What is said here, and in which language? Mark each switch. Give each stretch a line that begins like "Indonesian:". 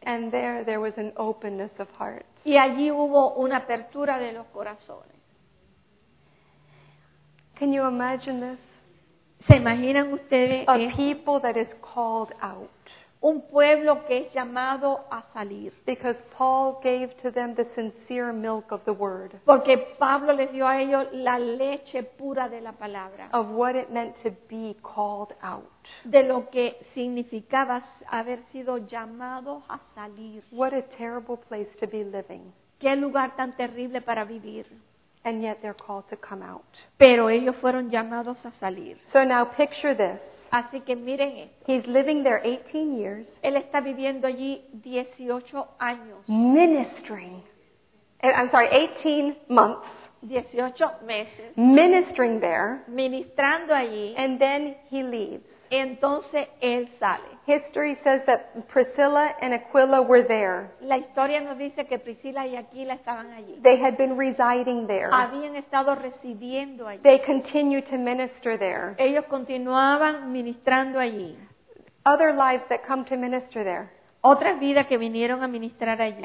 English: And there was an openness of heart.
Spanish: Y allí hubo una apertura de los corazones.
English: Can you imagine this?
Spanish: ¿Se imaginan ustedes?
English: A people that is called out.
Spanish: Un pueblo que es llamado a salir.
English: Because Paul gave to them the sincere milk of the word.
Spanish: Porque Pablo les dio a ellos la leche pura de la palabra.
English: Of what it meant to be called out.
Spanish: De lo que significaba haber sido llamado a salir.
English: What a terrible place to be living.
Spanish: Qué lugar tan terrible para vivir.
English: And yet they're called to come out.
Spanish: Pero ellos fueron llamados a salir.
English: So now picture this.
Spanish: Así que miren esto.
English: He's living there 18 years.
Spanish: Él está viviendo allí 18 años.
English: Ministering. I'm sorry, 18 months.
Spanish: 18 meses
English: ministering there,
Spanish: ministrando allí,
English: and then he leaves.
Spanish: Entonces él sale.
English: History says that Priscilla and Aquila were there.
Spanish: La historia nos dice que Priscilla y Aquila estaban allí.
English: They had been residing there.
Spanish: Habían estado residiendo allí.
English: They continued to minister there.
Spanish: Ellos continuaban ministrando allí.
English: Other lives that come to minister there.
Spanish: Otras vidas que vinieron a ministrar allí.